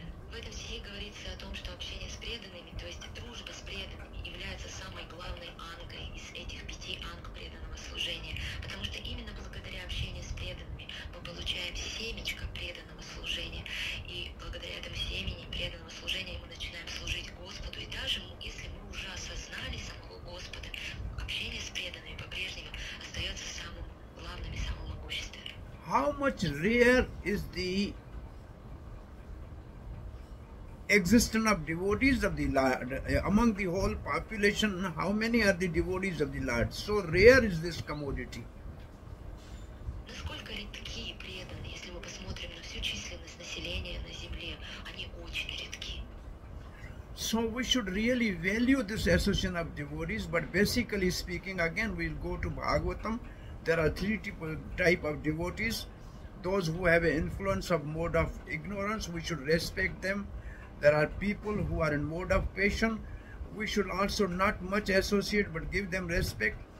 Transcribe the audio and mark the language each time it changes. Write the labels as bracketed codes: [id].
[ru] В этом стихе говорится о том, что общение с преданными, то есть дружба с преданными, является самой главной ангой из этих 5 анг преданного служения, потому что именно благодаря общению с преданными получаем семечко преданного служения, и благодаря этому семени преданного служения мы начинаем служить Господу, и даже если мы уже осознали самого Господа, общение с преданными по-прежнему остается самым главным и самым могущественным. [en] How much rare is the existence of devotees of the Lord among the whole population? How many are the devotees of the Lord? So rare is this commodity. [ru] Насколько редки преданные, если мы посмотрим на всю численность населения на земле, они очень редки. [en] So we should really value this association of devotees. But basically speaking, again we'll go to Bhagavatam. There are three type of devotees. Those who have an influence of mode of ignorance, we should respect them. There are people who are in mode of passion, we should also not much associate but give them respect.